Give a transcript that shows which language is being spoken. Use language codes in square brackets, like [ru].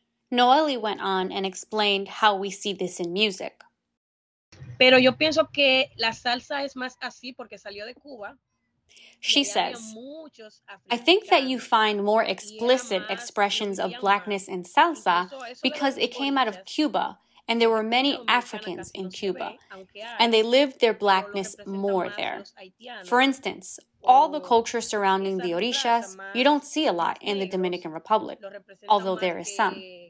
[en] Noely went on and explained how we see this in music. [es] Pero yo pienso que la salsa es más así porque salió de Cuba. [en] She says, I think that you find more explicit expressions of blackness in salsa because it came out of Cuba, and there were many Africans in Cuba, and they lived their blackness more there. For instance, all the culture surrounding the orishas, you don't see a lot in the Dominican Republic, although there is some.